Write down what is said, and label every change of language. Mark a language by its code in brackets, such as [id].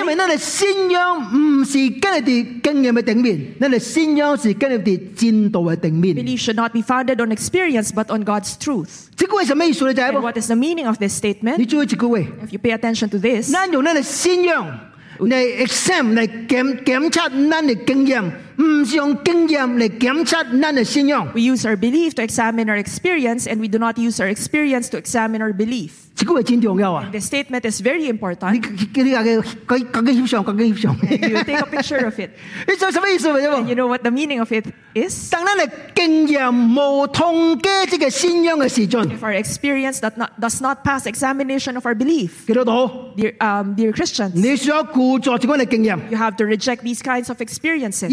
[zh] 因为我们的信仰不是建立在经验的顶面, 我们的信仰是建立在真道的顶面。 [en] Belief should not be founded on experience, but on God's truth. [zh] 这句话什么意思呢? [en] And what is the meaning of this statement? [zh] 你注意一句话, [en] if you pay attention to this, [zh] 我们用我们的信仰, 来检查我们的经验, 不是用经验来检查我们的信仰。 [en] We use our belief to examine our experience, and we do not use our experience to examine our belief. The statement is very important. And you take a picture of it. And you know what the meaning of it is? If our experience does not pass examination of our belief, dear Christians, you have to reject these kinds of experiences.